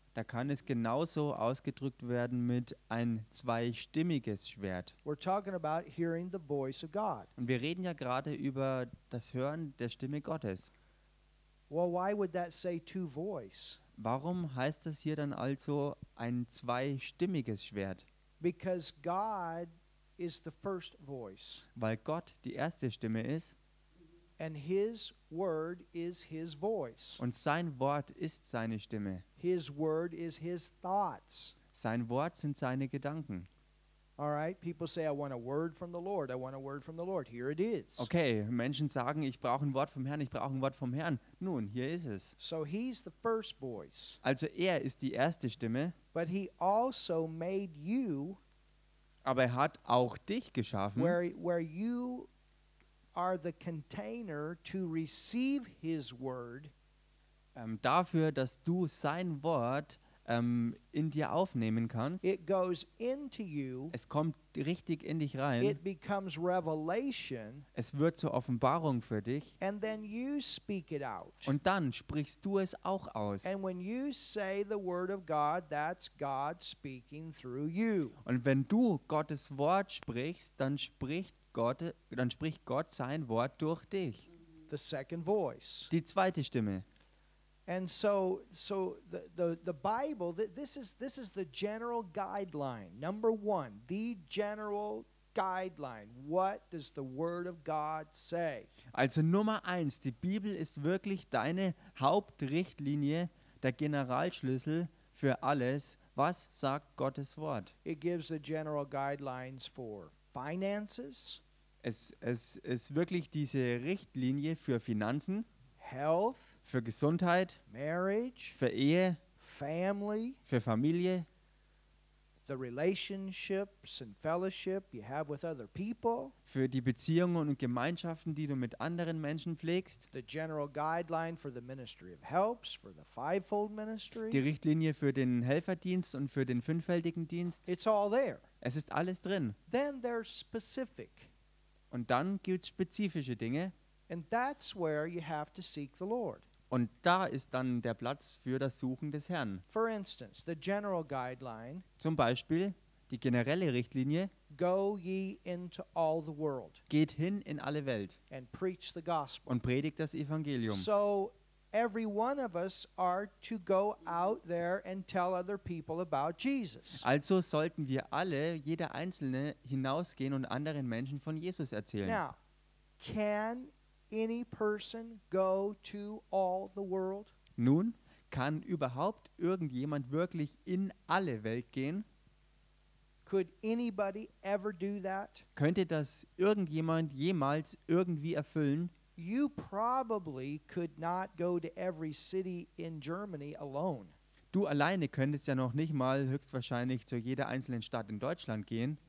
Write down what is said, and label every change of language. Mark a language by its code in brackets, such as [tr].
[de] Da kann es genauso ausgedrückt werden mit ein zweistimmiges Schwert. [en] We're talking about hearing the voice of God. [de] Und wir reden ja gerade über das Hören der Stimme Gottes. [en] Well, why would that say two-voice? [de] Warum heißt das hier dann also ein zweistimmiges Schwert? [en] Because God is the first voice. [de] Weil Gott die erste Stimme ist. [en] And his word is his voice. [de] Und sein Wort ist seine Stimme. [en] His word is his thoughts. [de] Sein Wort sind seine Gedanken. [en] All right, people say I want a word from the Lord. I want a word from the Lord. Here it is. [de] Okay, Menschen sagen, ich brauche ein Wort vom Herrn, ich brauche ein Wort vom Herrn. Nun, hier ist es. [en] So he's the first voice. [de] Also er ist die erste Stimme. [en] But he also made you. [de] Aber er hat auch dich geschaffen, [en] where you are the container to receive his word, [de] dafür, dass du sein Wort in dir aufnehmen kannst. [en] It goes into you, [de] es kommt richtig in dich rein. [en] It becomes revelation, [de] es wird zur Offenbarung für dich. [en] And then you speak it out. [de] Und dann sprichst du es auch aus. [en] And when you say the word of God, that's God speaking through you. [de] Und wenn du Gottes Wort sprichst, dann spricht Gott sein Wort durch dich. [en] The second voice. [de] Die zweite Stimme. [en] And so the Bible, this is the general guideline. Number one, the general guideline. What does the Word of God say? [de] Also Nummer eins, die Bibel ist wirklich deine Hauptrichtlinie, der Generalschlüssel für alles. Was sagt Gottes Wort? [en] It gives the general guidelines for finances. [de] Es ist wirklich diese Richtlinie für Finanzen. [en] Health, [de] für Gesundheit, [en] marriage, [de] für Ehe, [en] family, [de] für Familie, [en] the relationships and fellowship you have with other people, [de] für die Beziehungen und Gemeinschaften, die du mit anderen Menschen pflegst, [en] the general guideline for the ministry of helps, for the fivefold ministry, [de] die Richtlinie für den Helferdienst und für den fünffältigen Dienst. [en] It's all there. [de] Es ist alles drin. [en] Then they're specific. [de] Und dann gibt's spezifische Dinge. [en] And that's where you have to seek the Lord. [de] Und da ist dann der Platz für das Suchen des Herrn. [en] For instance, the general guideline. [de] Zum Beispiel die generelle Richtlinie. [en] Go ye into all the world. [de] Geht hin in alle Welt. [en] And preach the gospel. [de] Und predigt das Evangelium. [en] So every one of us are to go out there and tell other people about Jesus. [de] Also sollten wir alle, jeder Einzelne, hinausgehen und anderen Menschen von Jesus erzählen. [en] Now, can any person go to all the world? [de] Nun, kann überhaupt irgendjemand wirklich in alle Welt gehen? [en] Could anybody ever do that? [de] Könnte das irgendjemand jemals irgendwie erfüllen? [en] You probably could not go to every city in Germany alone. [de] Du alleine könntest ja noch nicht mal höchstwahrscheinlich zu jeder einzelnen Stadt in Deutschland gehen.